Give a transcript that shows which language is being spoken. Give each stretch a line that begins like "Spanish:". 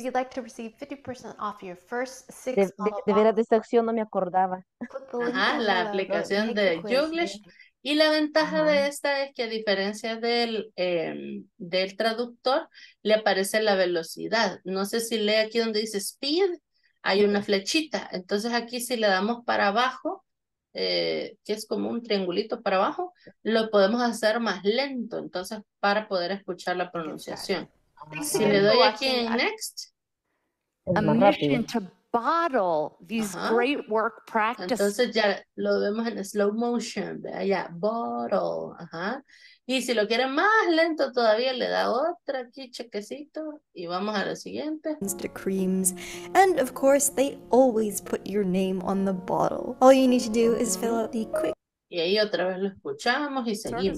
English: If you'd like to receive 50% off your first six...
Spanish: De veras, de esta opción no me acordaba. Ajá, la aplicación de Junglish. Y la ventaja de esta es que a diferencia del traductor, le aparece la velocidad. No sé si lee aquí donde dice speed, hay una flechita. Entonces aquí si le damos para abajo, que es como un triangulito para abajo, lo podemos hacer más lento, entonces para poder escuchar la pronunciación. Si le doy aquí en next.
English: Bottle these great work practices.
Spanish: Entonces ya lo vemos en slow motion, ¿verdad? Ya, bottle. Ajá. Y si lo quiere más lento todavía, le da otra aquí, chequecito, y vamos a lo siguiente.
English: Mr. Creams. And of course, they always put your name on the bottle. All you need to do is fill out the quick...
Spanish: Y ahí otra vez lo escuchamos y seguimos.